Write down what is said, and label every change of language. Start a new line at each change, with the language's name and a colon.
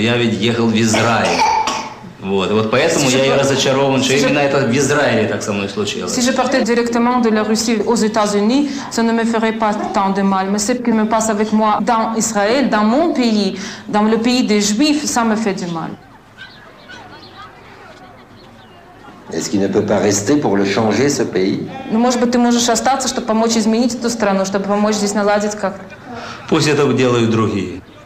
Russian: Но я ведь ехал в Израиль. Вот поэтому я и разочарован, что именно это в Израиле так со мной случилось.
French: Si je partais directement de la Russie aux États-Unis, ça ne me ferait pas tant de mal. Mais ce qui me passe avec moi dans Israël, dans mon pays, dans le pays des Juifs, ça me fait du mal. Est-ce qu'il ne peut pas rester pour le changer, ce pays?
Russian: Ну, может быть, ты можешь остаться, чтобы помочь изменить эту страну, чтобы помочь здесь наладить как? Пусть это делают другие.